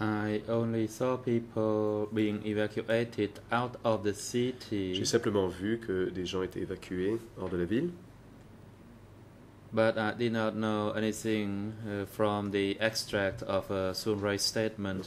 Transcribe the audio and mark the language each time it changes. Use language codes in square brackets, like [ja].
[en] I only saw people being evacuated out of the city. [fr] J'ai simplement vu que des gens étaient évacués hors de la ville. [en] But I did not know anything from the extract of a Sun Ri statement